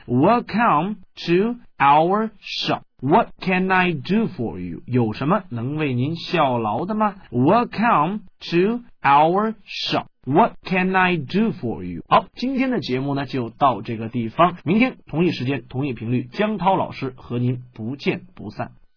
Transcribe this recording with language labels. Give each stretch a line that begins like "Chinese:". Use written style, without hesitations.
English: Welcome to our shop, what can I do for you?
Chinese: 有什么能为您效劳的吗？
English: Welcome to our shop,What can I do for you?
Chinese: 好，今天的节目呢就到这个地方，明天同一时间同一频率，江涛老师和您不见不散。